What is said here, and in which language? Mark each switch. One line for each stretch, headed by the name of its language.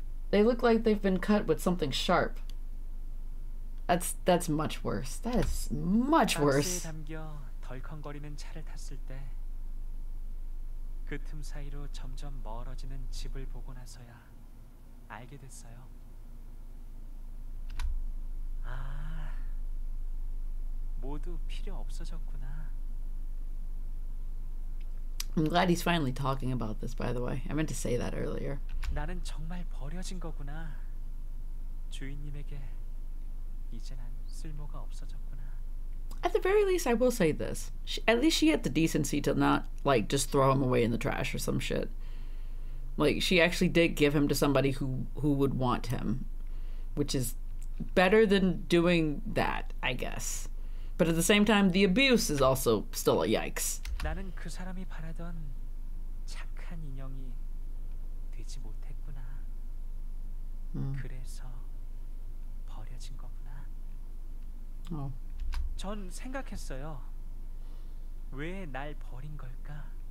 English: They look like they've been cut with something sharp. That's much worse. That is much worse.
Korean: 담겨 덜컹거리는 차를 탔을 때 그 틈 사이로 점점 멀어지는 집을 보고 나서야 알게 됐어요. 아, 모두 필요 없어졌구나.
English: I'm glad he's finally talking about this, by the way. I meant to say that earlier.
Korean: 나는 정말 버려진 거구나. 주인님에게 이제 난 쓸모가 없어졌구나.
English: At the very least, I will say this. At least she had the decency to not, like, just throw him away in the trash or some shit. Like, she actually did give him to somebody who would want him. Which is better than doing that, I guess. But at the same time, the abuse is also still a yikes.
Korean: 나는 그 사람이 바라던 착한 인형이 되지 못했구나. 그래서 버려진 거구나. 어. 전 생각했어요. 왜 날 버린 걸까?